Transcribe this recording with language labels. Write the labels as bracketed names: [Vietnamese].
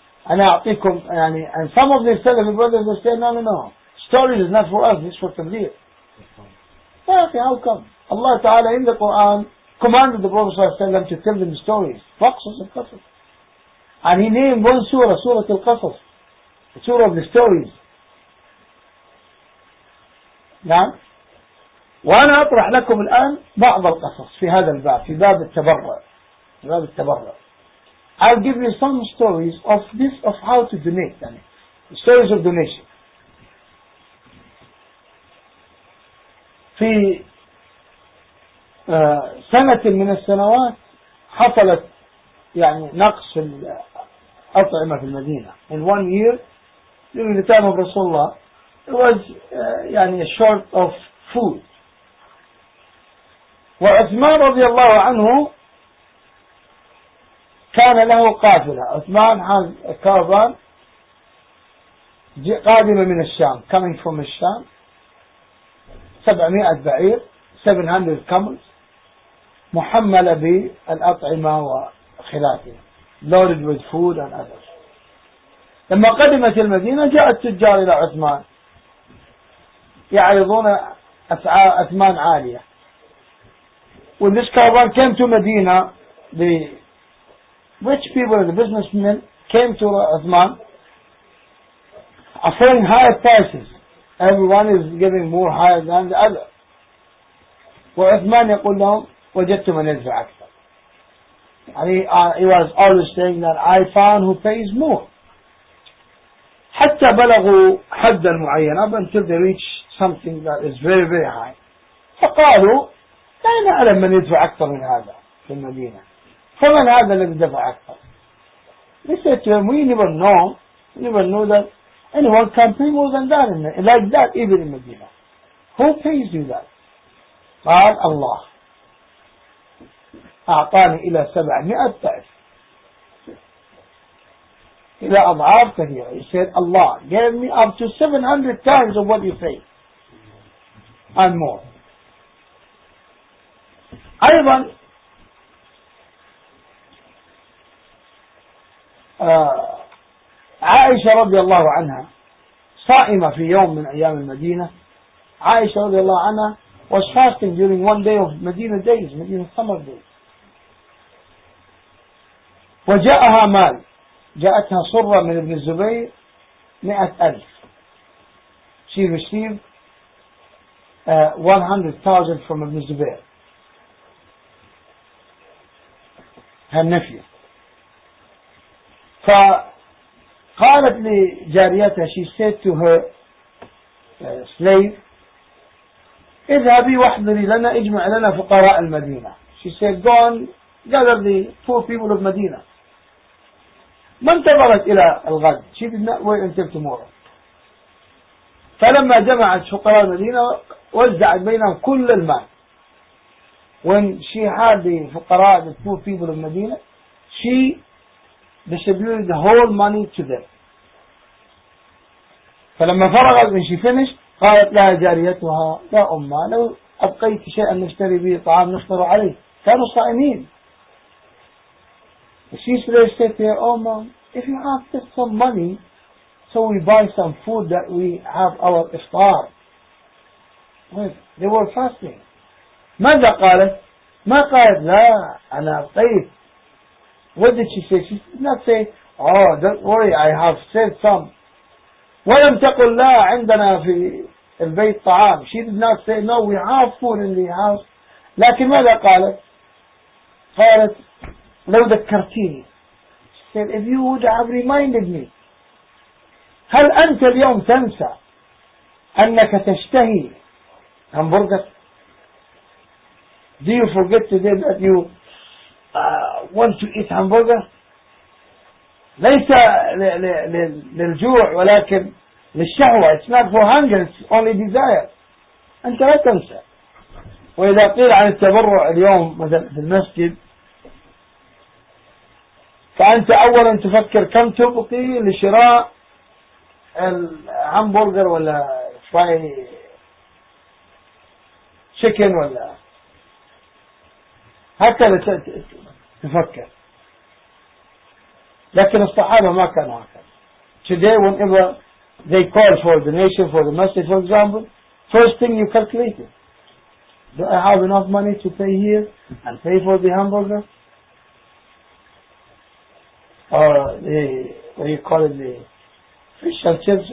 [Arabic] أنا أعطيكم يعني [English] and some of the Salaf brothers will say no. Stories is not for us. It's for تبليغ. Okay, how come? Allah Ta'ala in the Quran commanded the Prophet صلى الله عليه وسلم to tell them stories. [Arabic] فقصص القصص. [English] And he named one surah, Surah Al-Qasas. The surah of the stories. [Arabic] نعم. وأنا أطرح لكم الآن بعض القصص في هذا الباب في باب التبرع. في باب التبرع. [English] I'll give you some stories of this of how to donate. يعني stories of donation. [Arabic] في سنة من السنوات حصلت يعني نقص الأطعمة في المدينة. [English] In one year. During the time of Rasulullah, it was يعني a short of food. [Arabic] وعثمان رضي الله عنه كان له قافلة. [English] عثمان had a caravan [Arabic] قادمة من الشام, [English] coming from الشام. 700 [Arabic] بعير, [English] 700 camels, [Arabic] محملة بالأطعمة وخلافه, [English] loaded with food and others. [Arabic] لما قدمت المدينة جاء التجار إلى عثمان يعرضون أسعار عثمان عالية. [English] When this caravan came to Medina, the rich people, the businessmen came to عثمان offering higher prices. Everyone is giving more higher than the other. [Arabic] وعثمان يقول لهم وجدت من يدفع أكثر. [English] He was always saying that I found who pays more. [Arabic] حتى بلغوا حدا معين [English] up until they reach something that is very very high. [Arabic] فقالوا لا نعلم من يدفع أكثر من هذا في المدينة. فمن هذا الذي دفع أكثر؟ [English] They said to him, we never know that Anyone can pay more than that in the, like that even in Medina. Who pays you that? [Arabic] قال الله أعطاني إلى 700 ضعف إلى أضعاف كثيرة. [English] He said Allah gave me up to 700 times of what you pay and more. [Arabic] أيضا عائشة رضي الله عنها صائمة في يوم من أيام المدينة. [English] عائشة رضي الله عنها was fasting during one day of Medina days, Medina summer days. [Arabic] وجاءها مال, جاءتها صرة من ابن الزبير 100,000. [English] She received 100,000 from ابن الزبير, her nephew. [Arabic] فقالت لجاريتها, [English] she said to her slave, [Arabic] اذهبي واحضري لنا, اجمع لنا فقراء المدينة. [English] She said, go on, gather the poor people of Medina. [Arabic] ما انتظرت إلى الغد. [English] She did not wait until tomorrow. [Arabic] فلما جمعت فقراء المدينة وزعت بينهم كل المال. [English] When she had the فقراء, the poor people of Medina, she distributed the whole money to them. [Arabic] فلما فرغت, [English] when she finished, [Arabic] قالت لها جاريتها, يا أما لو أبقيت شيئا نشتري به طعام نفطر عليه. كانوا صائمين. [English] She said to her, oh mom, if you have this some money, so we buy some food that we have our iftar. They were fasting. [Arabic] ماذا قالت؟ ما قالت لا أنا أبقيت. [English] What did she say? She did not say, oh don't worry, I have saved some. [Arabic] ولم تقل لا عندنا في البيت طعام. [English] She did not say, no, we have food in the house. [Arabic] لكن ماذا قالت؟ قالت, لو ذكرتيني. [English] She said, if you would have reminded me. [Arabic] هل أنت اليوم تنسى أنك تشتهي همبرجر؟ [English] Do you forget today that you want to eat hamburger? [Arabic] ليس للجوع ولكن للشهوة. [English] It's not for hunger, it's only desire. [Arabic] أنت لا تنسى. وإذا قيل عن التبرع اليوم مثلا في المسجد, فأنت أولا تفكر كم تبقي لشراء الهامبرجر ولا فراي تشيكن ولا حتى تفكر. لكن الصحابة ما كانوا هكذا. [English] Today whenever they call for the nation, for the masjid, for example, first thing you calculate it. Do I have enough money to pay here and pay for the hamburger? Or the, what do you call it, the fish and chips?